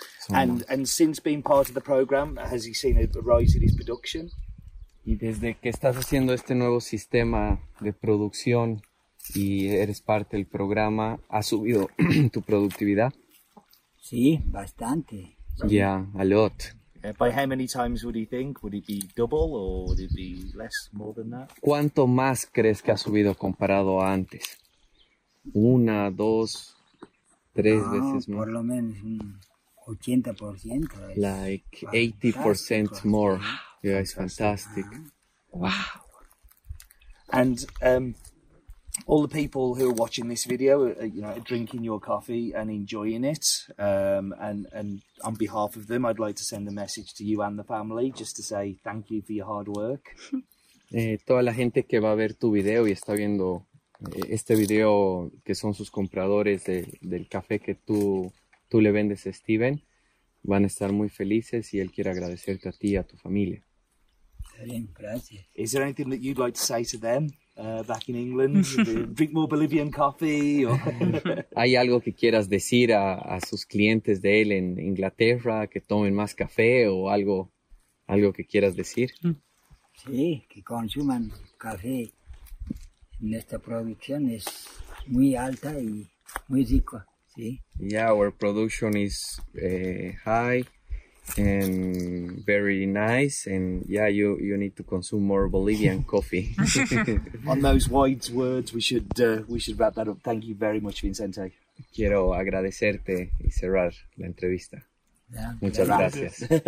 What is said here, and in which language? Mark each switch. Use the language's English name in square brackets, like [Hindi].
[English] And since being part of the program, has he seen a rise in his production? [Spanish] Y desde que estás haciendo este nuevo sistema de producción y eres parte del programa, ¿ha subido tu productividad? Sí, bastante. [English] Yeah, a lot. By how many times would he think? Would it be double or would it be less, more than that? [Spanish] ¿Cuánto más crees que ha subido comparado a antes? Una, dos, tres veces más. Por lo menos 80%. [English] Like 80% more. Yeah, it's fantastic. Wow. And all the people who are watching this video are drinking your coffee and enjoying it. And on behalf of them, I'd like to send a message to you and the family just to say thank you for your hard work. [Spanish] Toda la gente que va a ver tu video y está viendo este video, que son sus compradores del café que tú le vendes a Steven, van a estar muy felices y él quiere agradecerte a ti y a tu familia. [English] Is there anything that you'd like to say to them back in England? Drink more Bolivian coffee? Or... [Spanish] ¿Hay algo que quieras decir a sus clientes de él en Inglaterra, que tomen más café o algo que quieras decir? Sí, que consuman café. Nuestra producción es muy alta y muy rica. ¿Sí? [English] Yeah, our production is high and very nice, and yeah, you need to consume more Bolivian coffee. On those wise words, we should wrap that up. Thank you very much, Vicente. [Spanish] Quiero agradecerte y cerrar la entrevista. Yeah, muchas gracias.